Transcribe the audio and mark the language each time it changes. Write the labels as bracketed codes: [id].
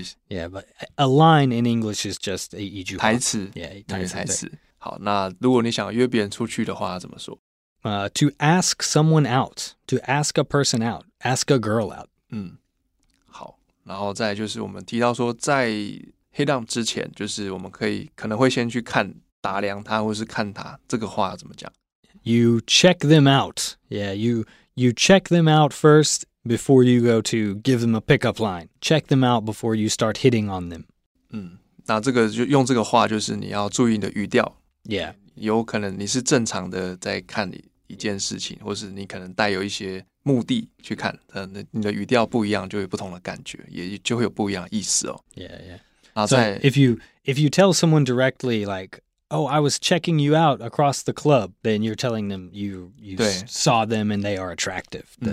[en] Yeah, but a line in English is just [zh] 一句话。台词。 Yeah, 台词。台词。好，那如果你想约别人出去的话怎么说 [en] To ask someone out. To ask a person out. Ask a girl out. [zh] 好。然后再就是我们提到说在 hit on 之前就是我们可能会先去看打量他或是看他这个话怎么讲 [en] You check them out. Yeah, you check them out first before you go to give them a pickup line. Check them out before you start hitting on them. [zh] 那这个就用这个话就是你要注意你的语调。 [en] Yeah. [zh] 有可能你是正常的在看一件事情或是你可能带有一些目的去看你的语调不一样就有不同的感觉也就会有不一样的意思哦。 [en] Yeah, yeah. So if you, if you tell someone directly, like, oh, I was checking you out across the club, then you're telling them you saw them and they are attractive.